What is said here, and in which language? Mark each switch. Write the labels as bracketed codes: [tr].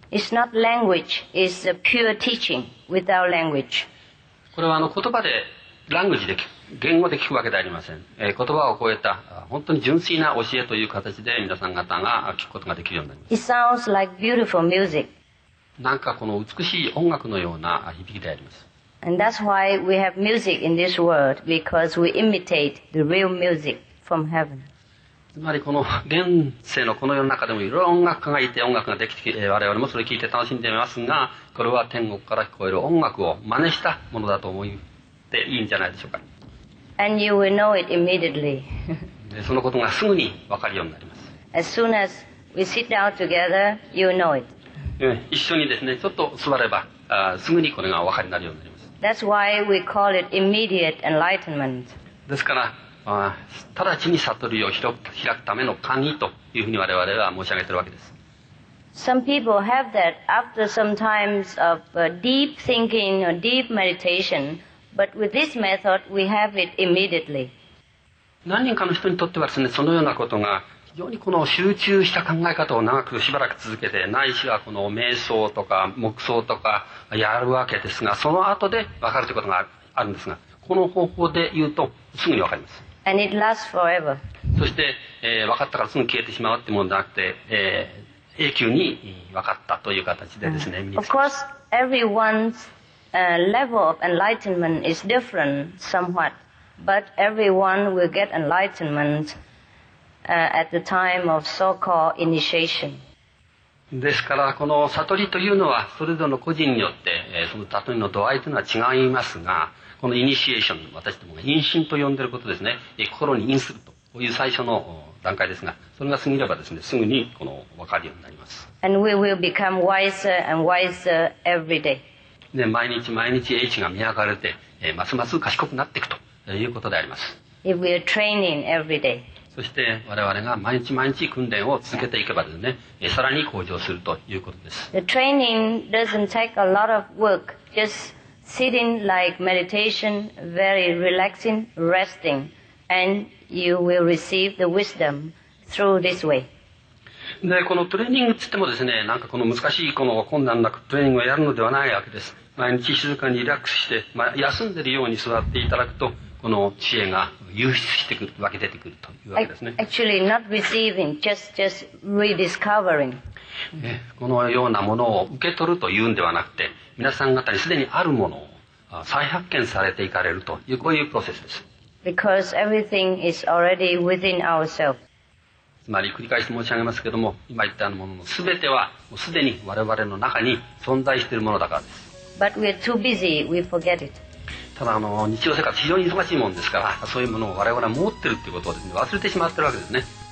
[en] It's not language, it's a pure teaching without language. [ja] これは言葉で、ランゲージで聞く。言語で聞くわけではありません。言葉を超えた本当に純粋な教えという形で皆さん方が聞くことができるようになります。 [en] It sounds like beautiful music. [ja] なんかこの美しい音楽のような響きであります。 [en] And that's why we have music in this world, because we imitate the real music from heaven. [ja] つまりこの現世のこの世の中でもいろいろ音楽家がいて音楽ができて我々もそれを聞いて楽しんでいますが、これは天国から聞こえる音楽を真似したものだと思っていいんじゃないでしょうか。 [en] And you will know it immediately. [ja] そのことがすぐに分かるようになります。 [en] As soon as we sit down together, you know it. [ja] 一緒にですね、ちょっと座れば、すぐにこれが分かりになるようになります。 [en] That's why we call it immediate enlightenment. [ja] ですから、直ちに悟りを開くための鍵というふうに我々は申し上げているわけです。 [en] Some people have that after some times of deep thinking or deep meditation. But with this method, we have it immediately. [ja] 何人かの人にとってはですね、そのようなことが非常にこの集中した考え方を長くしばらく続けて、ないしはこの瞑想とか黙想とかやるわけですが、その後で分かるということがあるんですが、この方法で言うとすぐに分かります。 [en] And it lasts forever. [ja] そして、分かったからすぐ消えてしまうってものではなくて、永久に分かったという形でですね、 [en] Of course, everyone'slevel of enlightenment is different somewhat, but everyone will get enlightenment at the time of so-called initiation. [ja] ですから、この悟りというのは、それぞれの個人によって、その悟りの度合いというのは違いますが、このイニシエーション、私どもが妊娠と呼んでいることですね、心に陰すると、こういう最初の段階ですが、それが過ぎればですね、すぐにこの分かるようになります。 [en] And we will become wiser and wiser every day. [ja] で毎日毎日英知が磨かれて、ますます賢くなっていくということであります。 [en] If we are training every day. [ja] そして我々が毎日毎日訓練を続けていけばですね、さらに向上するということです。 [en] The training doesn't take a lot of work. Just sitting like meditation, very relaxing, resting, and you will receive the wisdom through this way. [ja] でこのトレーニングといってもですね、なんかこの難しいこの困難なトレーニングをやるのではないわけです。毎日静かにリラックスして、まあ、休んでいるように座っていただくと、この知恵が流出してくる、湧き出てくるというわけですね。 [en] Actually, not receiving, just rediscovering. [ja] このようなものを受け取るというんではなくて、皆さん方にすでにあるものを再発見されていかれるという、こういうプロセスです。 [en] Because everything is already within ourselves. [ja] つまり繰り返し申し上げますけれども、今言ったものの全てはもうすでに我々の中に存在しているものだからです。 [en] But we are too busy, we forget it. [ja] ただ日常生活非常に忙しいものですから、そういうものを我々は持っているということをですね、忘れてしまっているわけですね。